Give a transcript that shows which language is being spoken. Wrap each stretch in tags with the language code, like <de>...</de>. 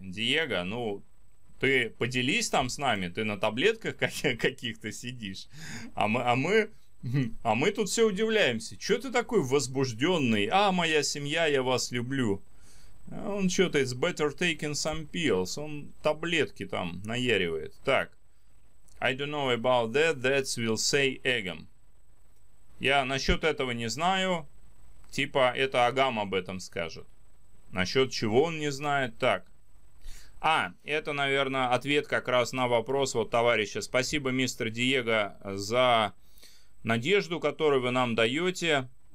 <ru>Диего, ну, ты поделись там с нами, ты на таблетках каких-то сидишь. А мы тут все удивляемся. Че ты такой возбужденный? А, моя семья, я вас люблю. Он что-то,</ru> <en>it's better taking some pills.</en> <ru>Он таблетки там наяривает. Так,</ru> <en>I don't know about that, that will say Agam.</en> <ru>Я насчет этого не знаю. Типа, это Агам об этом скажет. Насчет чего он не знает, так. А, это, наверное, ответ как раз на вопрос вот товарища. Спасибо, мистер Диего, за надежду, которую вы нам даете.</ru>